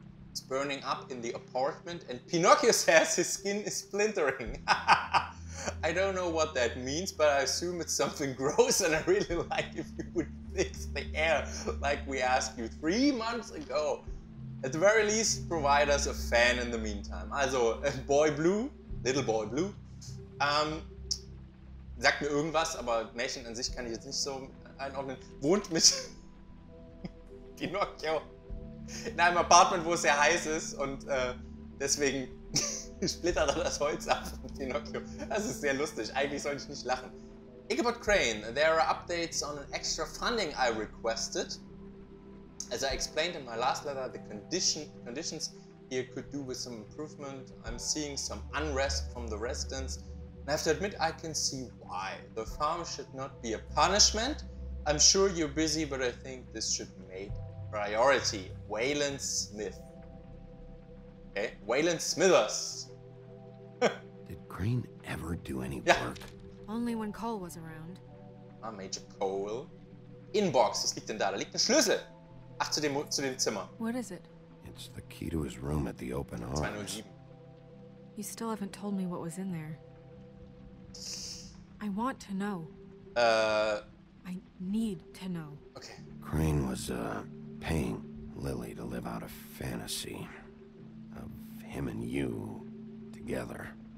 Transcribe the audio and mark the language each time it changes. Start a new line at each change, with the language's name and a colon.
English: It's burning up in the apartment and Pinocchio says his skin is splintering. I don't know what that means, but I assume it's something gross and I really like if you would fix the air like we asked you 3 months ago. At the very least, provide us a fan in the meantime.
German: Also, Boy Blue, Little Boy Blue, sagt mir irgendwas, aber Märchen an sich kann ich jetzt nicht so einordnen, wohnt mit Pinocchio in einem Apartment, wo es sehr heiß ist und deswegen splittert er das Holz ab von Pinocchio. Das ist sehr lustig, eigentlich soll ich nicht lachen.
English: Ichabod Crane, there are updates on an extra funding I requested. As I explained in my last letter, the conditions here could do with some improvement. I'm seeing some unrest from the residents. And I have to admit, I can see why. The farm should not be a punishment. I'm sure you're busy, but I think this should be made a priority. Waylon Smith. Okay, Waylon Smithers. Did Crane ever do any work? Only when Cole was around. Ah, Major Cole.
German: Inbox, was liegt denn da? Da liegt ein Schlüssel. Ach, zu dem Zimmer.
English: What is it? It's the key to his room at the open arms. You still haven't told me what was in there. I want to know. I need to know. Okay. Crane was paying Lily to live out a fantasy of him and you together.